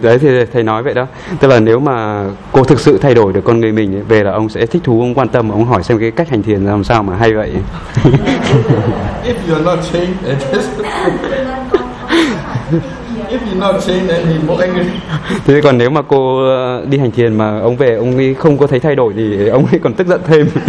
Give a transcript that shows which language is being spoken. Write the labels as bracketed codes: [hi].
[vi] đấy thì thầy nói vậy đó, tức là nếu mà cô thực sự thay đổi được con người mình ấy, về là ông sẽ thích thú, ông quan tâm, ông hỏi xem cái cách hành thiền làm sao mà hay vậy. [en] If you're not changed, just if you're not changed, then more angry. [vi] Thế còn nếu mà cô đi hành thiền mà ông về ông ấy không có thấy thay đổi thì ông ấy còn tức giận thêm.